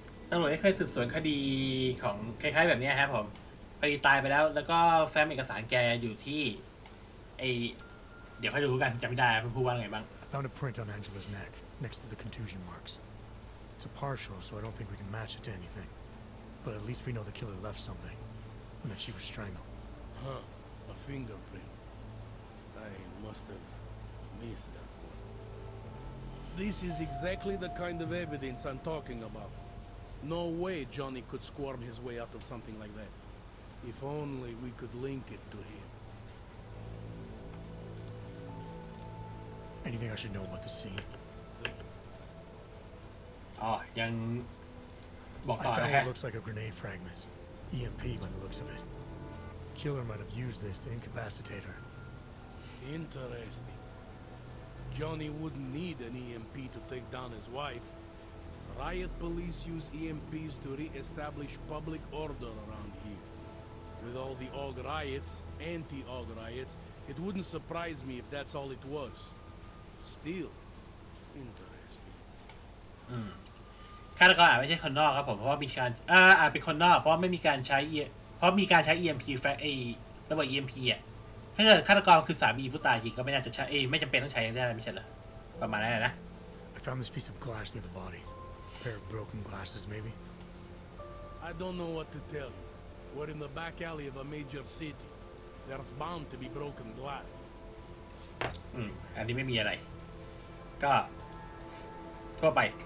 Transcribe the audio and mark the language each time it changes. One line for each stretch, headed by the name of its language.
Thai: ตำรวจเคยสืบสวนคดีของคล้ายๆแบบนี้ครับผมคดีตายไปแล้วแล้วก็แฟ้มเอกสารแกอยู่ที่ไอเดี๋ยวค่อยดูกันจำไม่ได้ผู้ว่าไงบ้าง
English: I found a print on Angela's neck next to the contusion marks. It's a partial, so I don't think we can match it to anything. But at least we know the killer left something, and that she was strangled. Huh? A fingerprint. I must have. This is exactly the kind of evidence I'm talking about. No way Johnny could squirm his way out of something like that. If only we could link it to him. Anything I should know about the scene? Young. It looks like a grenade fragment. EMP by the looks of it. Killer might have used this to incapacitate her. Interesting. Johnny wouldn't need an EMP to take down his wife. Riot police use EMPs to re-establish public order around here. With all the Og riots, anti-Og riots, it wouldn't surprise me if that's all it was. Still, interesting.
Thai: ฆาตกรอาจไม่ใช่คนนอกครับผมเพราะว่ามีการอาจเป็นคนนอกเพราะไม่มีการใช้เพราะมีการใช้ EMP แฟไอ้ระเบิด EMP อ่ะถ้าเกิดฆาตกรคือสามีผู้ตายจริงก็ไม่น่าจะใช้ไม่จำเป็นต้องใช้ได้ไม่ใช่เหรอประมาณนั้นนะ
English: I found this piece of glass near the body. A pair of broken glasses, maybe. I don't know what to tell you. We're in the back alley of a major city. There's bound to be broken glass.
Thai: อันนี้ไม่มีอะไรก็ทั่วไป